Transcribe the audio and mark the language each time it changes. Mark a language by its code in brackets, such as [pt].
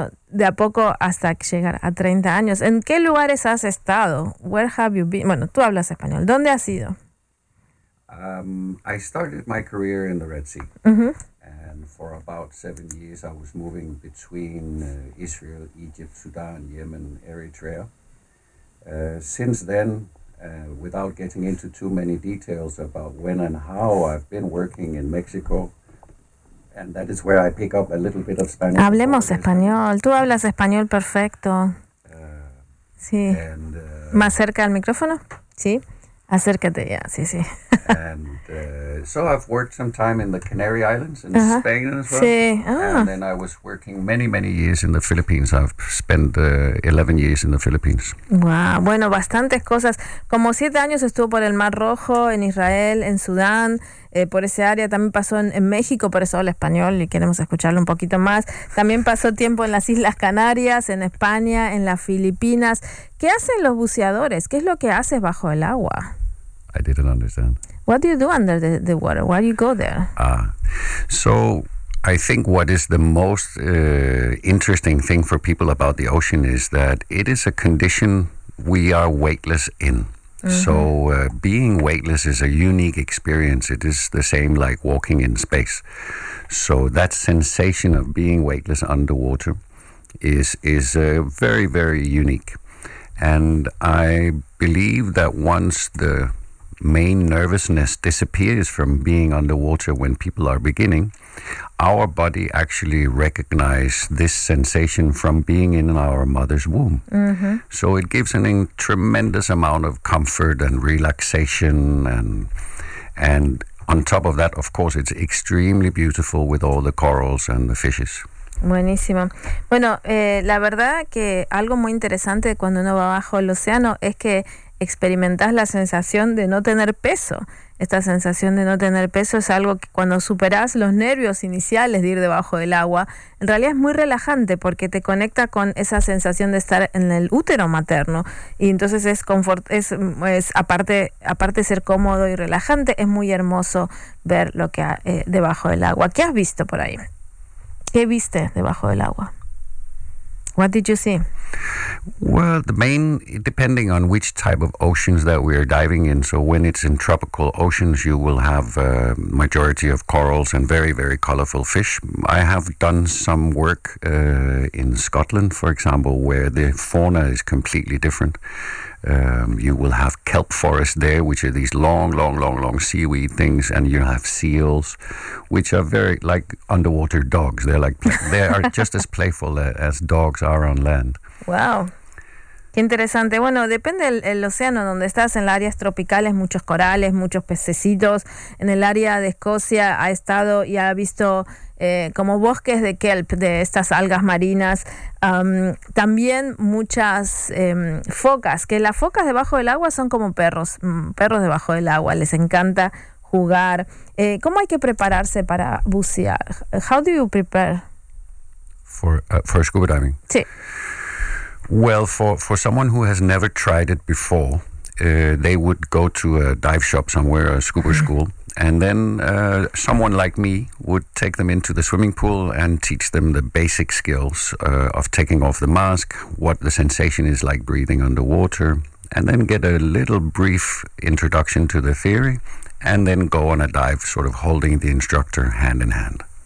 [es] De a poco hasta llegar a 30 años. ¿En qué lugares has estado? [en] Where have you been? [es] Bueno, tú hablas español. ¿Dónde has ido? [en] I started my career in the Red Sea. Uh-huh. And for about 7 years, I was moving between Israel, Egypt, Sudan, Yemen, Eritrea. Since then, without getting into too many details about when and how, I've been working in Mexico. And that is where I pick up a little bit of Spanish. [es] Hablemos español. Tú hablas español perfecto. Sí. [en] And, [es] más cerca al micrófono. Sí. Acércate ya, sí, sí. [en] And so I've worked some time in the Canary Islands in Spain as well. [es] Sí. Ah. [en] And then I was working many, many years in the Philippines. I've spent 11 years in the Philippines. [es] Wow, bueno, bastantes cosas. Como 7 años estuvo por el Mar Rojo, en Israel, en Sudán, por ese área. También pasó en México, por eso habla español y queremos escucharlo un poquito más. También pasó tiempo en las Islas Canarias, en España, en las Filipinas. ¿Qué hacen los buceadores? ¿Qué es lo que haces bajo el agua? [en] I didn't understand. What do you do under the water? Why do you go there? So I think what is the most interesting thing for people about the ocean is that it is a condition we are weightless in. Mm-hmm. So being weightless is a unique experience. It is the same like walking in space. So that sensation of being weightless underwater is very, very unique. And I believe that once the main nervousness disappears from being underwater when people are beginning, our body actually recognizes this sensation from being in our mother's womb. Mm-hmm. So it gives a tremendous amount of comfort and relaxation. And on top of that, of course, it's extremely beautiful with all the corals and the fishes. [es] Buenísimo. Bueno, la verdad que algo muy interesante cuando uno va bajo el océano es que experimentas la sensación de no tener peso. Esta sensación de no tener peso es algo que cuando superas los nervios iniciales de ir debajo del agua, en realidad es muy relajante porque te conecta con esa sensación de estar en el útero materno. Y entonces aparte de ser cómodo y relajante, es muy hermoso ver lo que hay debajo del agua. ¿Qué has visto por ahí? ¿Qué viste debajo del agua? [en] What did you see? Well, depending on which type of oceans that we are diving in. So when it's in tropical oceans, you will have a majority of corals and very, very colorful fish. I have done some work in Scotland, for example, where the fauna is completely different. You will have kelp forest there, which are these long, long, long, long seaweed things, and you have seals, which are very like underwater dogs. They're like they are just as playful as dogs are on land. [es] Wow, qué interesante. Bueno, depende el océano donde estás. En las áreas tropicales, muchos corales, muchos pececitos. En el área de Escocia ha estado y ha visto como bosques de kelp, de estas algas marinas. También muchas focas, que las focas debajo del agua son como perros debajo del agua. Les encanta jugar. ¿Cómo hay que prepararse para bucear? [en] How do you prepare for scuba diving? [es] Sí. [en] Well, for someone who has never tried it before, they would go to a dive shop somewhere, a scuba school, and then someone like me would take them into the swimming pool and teach them the basic skills of taking off the mask, what the sensation is like breathing underwater, and then get a little brief introduction to the theory, and then go on a dive sort of holding the instructor hand in hand.